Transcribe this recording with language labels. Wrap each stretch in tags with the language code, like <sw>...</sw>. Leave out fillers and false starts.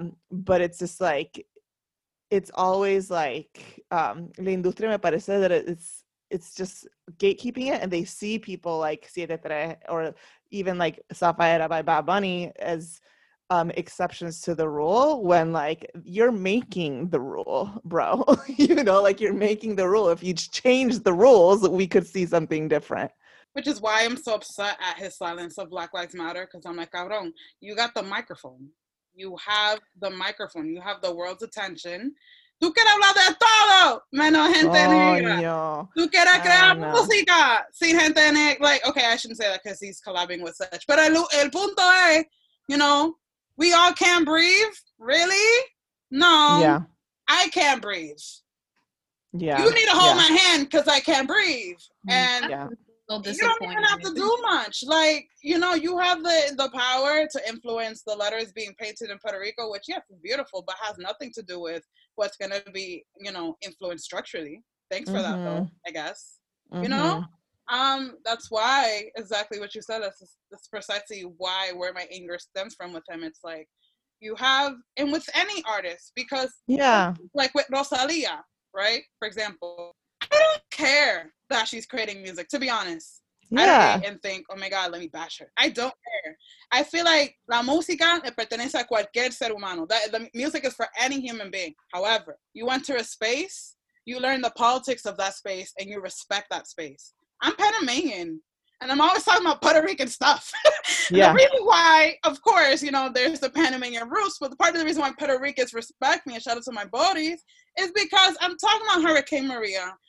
<en>But it's just like, it's always like,</en> <es>la industria me parece</es> <en>that it's just gatekeeping it, and they see people like Siete Tre or even like Safaera by Bad Bunny as exceptions to the rule, when like, you're making the rule, bro. You know, like you're making the rule. If you change the rules, we could see something different. Which is why I'm so upset at his silence of Black Lives Matter, because I'm like, cabrón, you got the microphone. You have the microphone. You have the world's attention.</en> <es>Tú quieres hablar de todo, menos gente negra. Tú quieres crear música sin gente negra.</es> <en>Like, okay, I shouldn't say that because he's collabing with such. But</en> <es>el punto es,</es> <en>you know, we all can't breathe. Really? No. Yeah. I can't breathe. Yeah. You need to hold my hand because I can't breathe. And yeah. You don't even have to do much. Like, you know, you have the power to influence the letters being painted in Puerto Rico, which, yes, is beautiful, but has nothing to do with what's going to be, you know, influenced structurally. Thanks for mm-hmm. that, though, I guess. Mm-hmm. You know? That's why, exactly what you said, that's precisely why, where my anger stems from with him. It's like, you have, and with any artist, because, yeah, like with Rosalía, right, for example, I don't care that she's creating music, to be honest. Yeah. I don't care and think, oh my God, let me bash her. I don't care. I feel like</en> <es>la música le pertenece a cualquier ser humano.</es> <en>The music is for any human being. However, you enter a space, you learn the politics of that space, and you respect that space. I'm Panamanian, and I'm always talking about Puerto Rican stuff. Yeah. The reason why, of course, you know, there's the Panamanian roots, but the part of the reason why Puerto Ricans respect me and shout out to my buddies is because I'm talking about Hurricane Maria.</en>